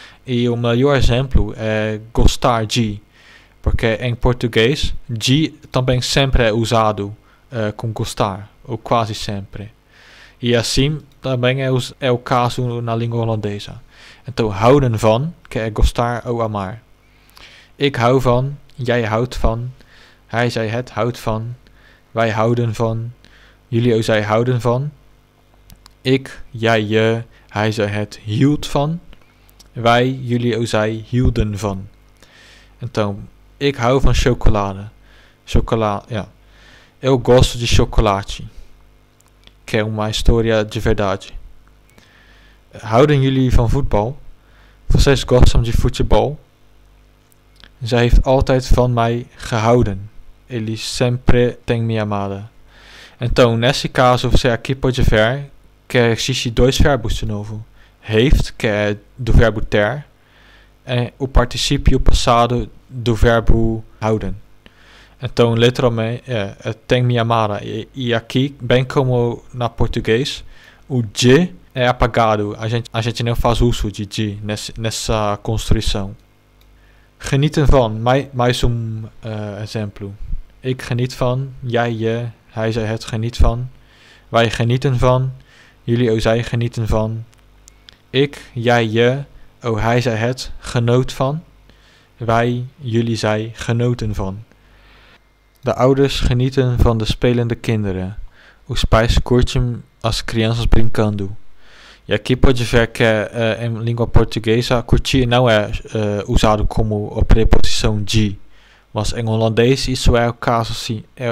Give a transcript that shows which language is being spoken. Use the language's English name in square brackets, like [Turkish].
[Portuguese] E o melhor exemplo é gostar de, porque em português, de também sempre é usado com gostar, ou quase sempre. E assim também é o caso na língua holandesa. Então, houden van, que é gostar ou amar. [Dutch] Ik hou van, jij houdt van, hij, zij, het houdt van, wij houden van, jullie, zij houden van. Ik, jij, je, hij, zij, het hield van. Wij, jullie, zij hielden van. [Portuguese] Então, [Dutch] ik hou van chocolade. Chocolade, ja. [Portuguese] Eu gosto de chocolate. Que é uma história de verdade. [Dutch] Houden jullie van voetbal? [Portuguese] Vocês gostam de futebol? [Dutch] Zij heeft altijd van mij gehouden. [Portuguese] Ele sempre tem me amado. Então, nesse caso, você aqui pode ver que existe dois verbos de novo. Heeft, que é do verbo ter, e o participio passado do verbo houden. Então, literalmente, tem me amada. E aqui, bem como na português, o de é apagado. A gente não faz uso de de nessa construção. Genieten van, mais exemplo. [Dutch] Ik geniet van, jij, je, hij, zij, het geniet van. Wij genieten van, jullie, zij genieten van. Ik, jij, je, hij, zij, het genoot van. Wij, jullie, zij genoten van. De ouders genieten van de spelende kinderen. [Portuguese] Os pais curtem as crianças brincando. E aqui pode ver que em língua portuguesa, curtir não é usado como a preposição de. Mas em holandês isso é o caso sim.